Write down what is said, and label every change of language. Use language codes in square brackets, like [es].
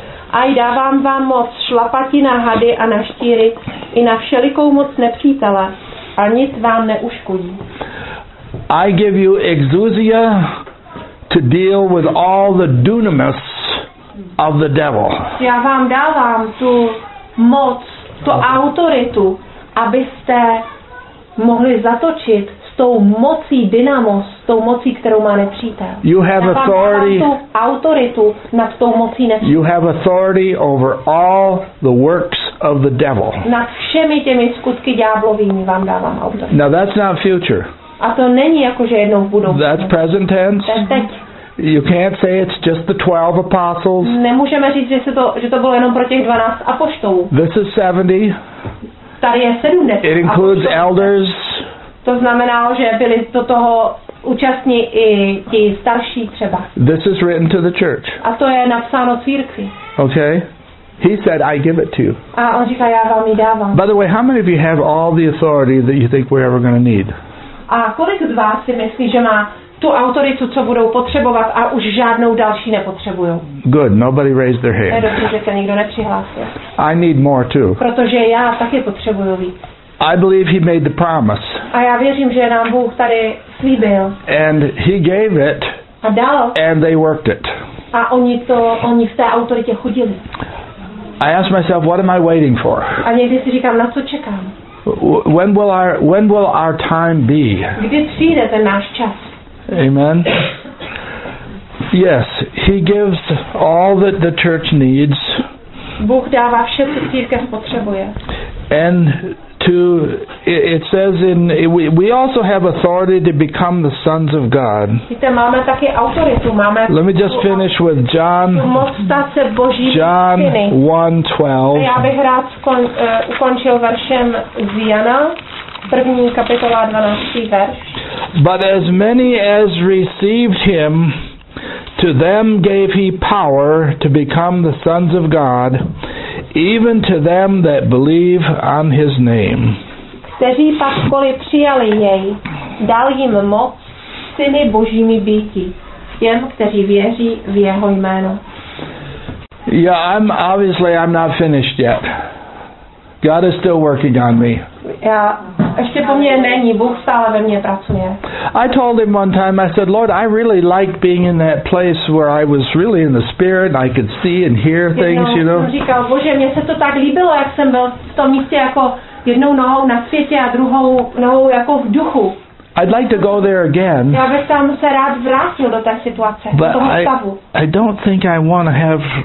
[cs] A dávám vám moc šlapati na hady a na štíry i na všelikou moc nepřítele, a nic vám neuškodí. [en] I give you exousia to deal with all the dunamis of the devil. [cs] Já vám dávám tu moc, tu autoritu, abyste mohli zatočit s tou mocí dynamos, s tou mocí, kterou má nepřítel. [en] You have authority. [cs] Tu autoritu nad tou mocí nepřítel. [en] You have authority over all the works of the devil. [cs] Nad všemi těmi skutky ďáblovými vám dávám autoritu. [en] Now that's not future. [cs] A to není jako že jednou v budoucnu. [en] That's present tense. [cs] Teď. [en] You can't say it's just the 12 apostles. [cs] Nemůžeme říct, že to bylo jenom pro těch 12 apoštolů. [en] This is 70. [cs] Tady je 70. [en] It includes elders. [cs] To znamená, že byli do toho účastní i ti starší třeba. [en] This is written to the church. [cs] A to je napsáno církvi. [en] Okay. He said, I give it to you. [cs] A on říká, já vám ji dávám. [en] By the way, how many of you have all the authority that you think we're ever going to need? [cs] A kolik z vás si myslí, že má tu autoritu, co budou potřebovat a už žádnou další nepotřebují? [en] Good, nobody raised their hand. [cs] Je dobře, že se nikdo nepřihlásil. [en] I need more too. [cs] Protože já taky potřebuju víc. [en] I believe he made the promise. [cs] A já věřím, že nám Bůh tady slíbil. [en] And he gave it. [cs] A dal. [en] And they worked it. [cs] A oni v té autoritě chodili. [en] I ask myself, what am I waiting for? [cs] A někdy si říkám, na co čekám? [en] When will our time be? [cs] Kdy přijde ten náš čas? [en] Amen. Yes, he gives all that the church needs. [cs] Bůh dává vše, co církev potřebuje. [en] And to it says in we also have authority to become the sons of God. [cs] Víte, máme taky autoritu, máme. [en] Let me just finish with John. [cs] Moc stát se Boží syny. [en] John 1:12. [cs] Já bych rád ukončil veršem z Jana, první kapitola 12. verš. [en] But as many as received him, to them gave he power to become the sons of God, even to them that believe on his name. [cs] Kteří pak koli přijali jej, dal jim moc syny božími býti, těm, kteří věří v jeho jméno. [en] Yeah, obviously I'm not finished yet. God is still working on me. [cs] Ještě po mně není, Bůh stále ve mně pracuje. [en] I told him one time, I said, Lord, I really like being in that place where I was really in the spirit and I could see and hear things, you know. [cs] Říkal, Bože, mně se to tak líbilo, jak jsem byl v tom místě jako jednou nohou na světě a druhou nohou jako v duchu. [en] I'd like to go there again. [cs] Já bych tam se rád vrátil do té situace, do toho stavu. [en] I don't think I want to have